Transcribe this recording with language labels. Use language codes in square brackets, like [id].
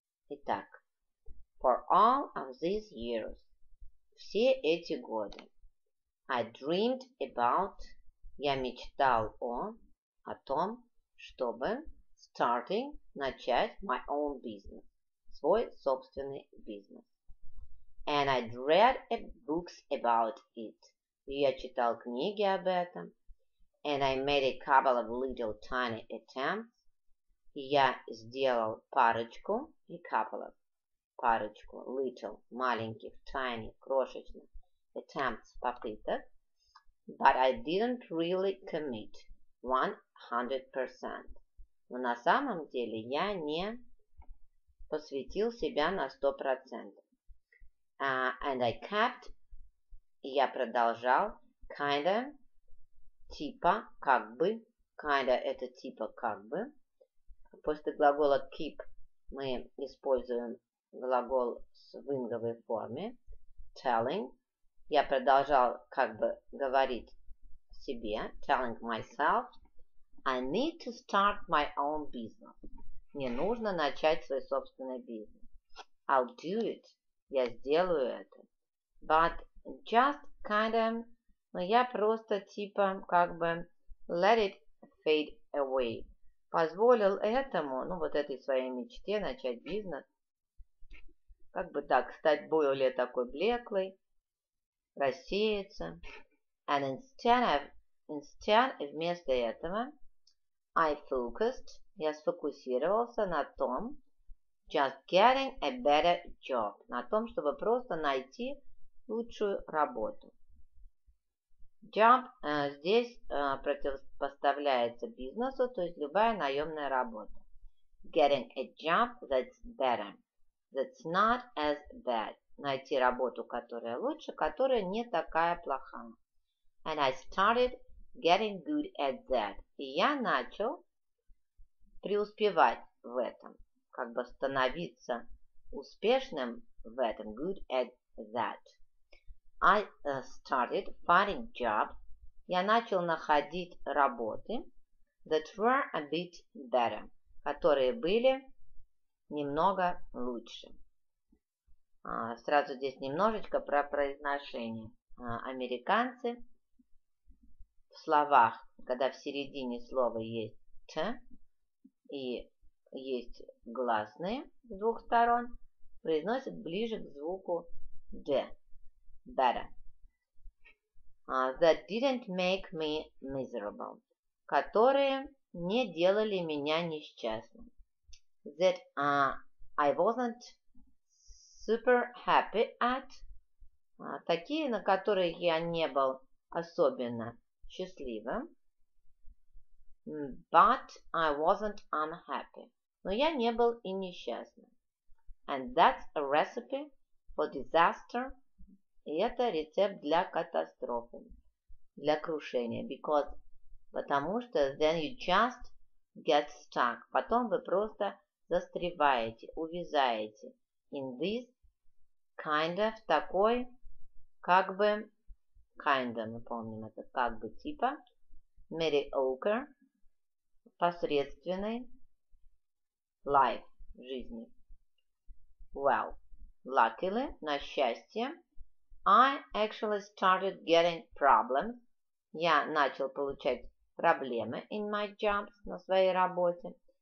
[ru] Итак, [en] for all of these years, [ru] все эти годы, [en] I dreamed about, [ru] я мечтал о том, чтобы [en] starting, [ru] начать [en] my own business, [ru] свой собственный бизнес. [en] And I'd read books about it, [ru] и я читал книги об этом. [en] And I made a couple of little tiny attempts, [ru] я сделал парочку, [en] a couple of, [ru] парочку, [en] little, [ru] маленьких, [en] tiny, [ru] крошечных, [en] attempts, [ru] попыток. [en] But I didn't really commit 100%. [ru] Но на самом деле я не посвятил себя на 100%. [en] And I kept, [ru] я продолжал, [en] kind of, [ru] типа, как бы, kind of, это типа, как бы. После глагола keep мы используем глагол с винговой форме telling. Я продолжал как бы говорить себе, [en] telling myself, I need to start my own business. [ru] Мне нужно начать свой собственный бизнес. [en] I'll do it. [ru] Я сделаю это. [en] But just kind of, [ru] но я просто типа как бы [en] let it fade away. [ru] Позволил этому, ну, вот этой своей мечте начать бизнес, как бы так, стать более такой блеклой, рассеяться. [en] And instead of, [ru] вместо этого, [en] I focused, [ru] я сфокусировался на том, [en] just getting a better job, [ru] на том, чтобы просто найти лучшую работу. Job здесь противопоставляется бизнесу, то есть любая наемная работа. [en] Getting a job that's better, that's not as bad. [ru] Найти работу, которая лучше, которая не такая плохая. [en] And I started getting good at that. [ru] И я начал преуспевать в этом, как бы становиться успешным в этом, [en] good at that. I started finding jobs, [ru] я начал находить работы, [en] that were a bit better, [ru] которые были немного лучше. Сразу здесь немножечко про произношение. Американцы в словах, когда в середине слова есть «т» и есть гласные с двух сторон, произносят ближе к звуку «д». [en] Better. That didn't make me miserable. [ru] Которые не делали меня несчастным. [en] That I wasn't super happy at. [ru] Такие, на которые я не был особенно счастливым. [en] But I wasn't unhappy. [ru] Но я не был и несчастным. [en] And that's a recipe for disaster. [ru] И это рецепт для катастрофы, для крушения. [en] Because, [ru] потому что [en] then you just get stuck. [ru] Потом вы просто застреваете, увязаете [en] in this kind of, [ru] такой, как бы, [en] kind of, [ru] мы помним это, как бы, типа, mediocre, посредственный life, жизни. [en] Well, luckily, [ru] на счастье, [en] I actually started getting problems. [ru] Я начал получать проблемы [en] in my jobs, [ru] на своей работе.